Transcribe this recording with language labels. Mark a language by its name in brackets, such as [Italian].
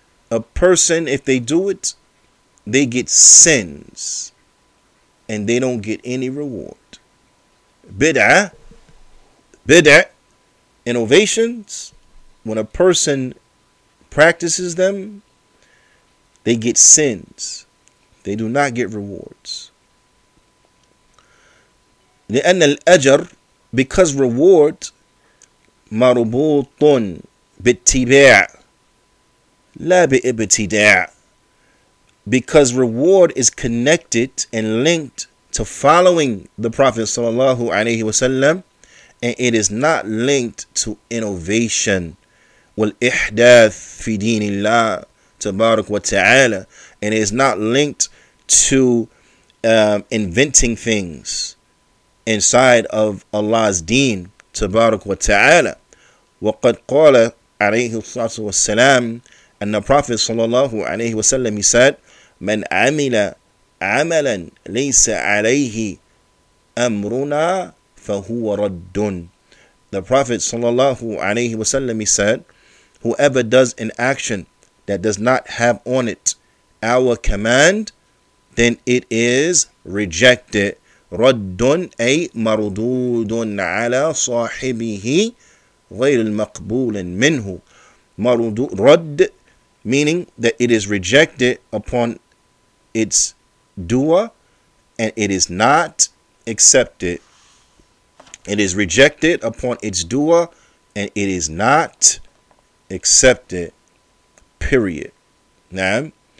[English] A person, if they do it, they get sins and they don't get any reward. Bid'ah, innovations, when a person practices them, they get sins. They do not get rewards. [Arabic] لأن الأجر, [English] because reward, [Arabic] مربوط بالتباع, لا بإبتداع. [English] Because reward is connected and linked to following the Prophet sallallahu alaihi wasallam, and it is not linked to innovation. [Arabic] والإحداث في دين الله تبارك وتعالى, [English] and it is not linked to inventing things inside of Allah's deen [Arabic] تبارك وتعالى. وقد قال عليه الصلاة والسلام, [English] and the Prophet [Arabic] صلى الله عليه وسلم, [English] he said, [Arabic] من عمل عملا ليس عليه أمرنا فهو رد. [English] The Prophet [Arabic] صلى الله عليه وسلم, [English] he said, whoever does an action that does not have on it our command, then it is rejected. [Arabic] رَدٌ أي مَرْدُودٌ عَلَى صَاحِبِهِ غَيْرِ الْمَقْبُولٍ مِنْهُ. [English] رَد meaning that it is rejected upon its doer and it is not accepted. It is rejected upon its doer and it is not accept it, period. Naam.